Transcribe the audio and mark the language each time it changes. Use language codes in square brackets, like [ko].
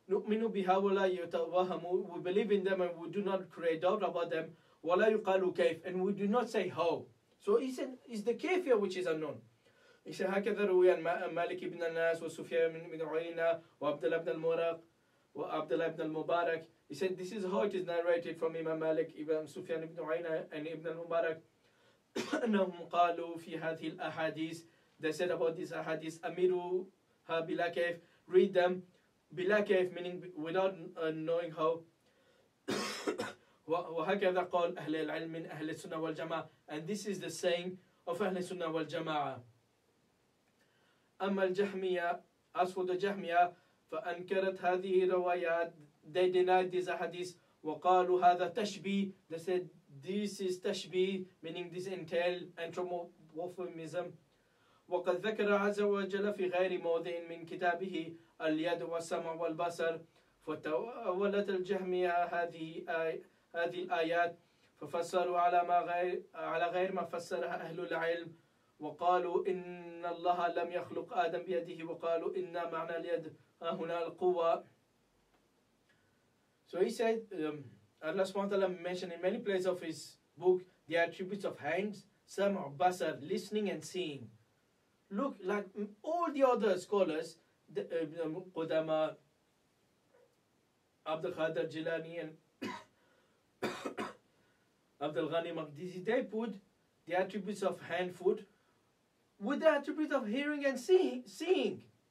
[ar] نؤمن بها ولا يتوهم, [en] we believe in them and we do not create doubt about them. [ar] ولا يقال كيف, [en] and we do not say how. So he said is the كيف here which is unknown. He said [ar] هكذا رواية مالك بن الناس وسفيان بن عيينة وعبدل بن المورق وعبدل بن المبارك. [en] He said this is how it is narrated from Imam Malik, Ibn Sufyan ibn Uayna and Ibn al-Mubarak. [ar] أنهم قالوا في هذه الأحاديث, [en] they said about these ahadith, [ar] أمروها بلا كيف, [en] read them [ar] بلا كيف, [en] meaning without knowing how. [ar] وهكذا قال أهل العلم من أهل السنة والجماعة, [en] and this is the saying of [ar] أهل السنة والجماعة. أما الجحمية, [en] as for the Jahmiyah, [ar] فأنكرت هذه الروايات, [en] they denied these ahadith. [ar] وقالوا هذا تشبيه, [en] they said this is تشبيه, meaning this entail anthropomorphism. [ar] وقد ذكر عز وجل في غير موضع من كتابه اليد والسمع والبصر, فتأولت الجهمية هذه الآيات ففسروا على غير ما فسرها أهل العلم, وقالوا إن الله لم يخلق آدم بيده, وقالوا إن معنى اليد هنا القوة. [en] So he said, Allah subhanahu wa ta'ala mentioned in many places of his book the attributes of hands, sam', basar, listening and seeing. Look, like all the other scholars, the Qudama, AbdulQadir Jilani, and Abdul Ghani, they put the attributes of hand, foot, with the attributes of hearing and seeing.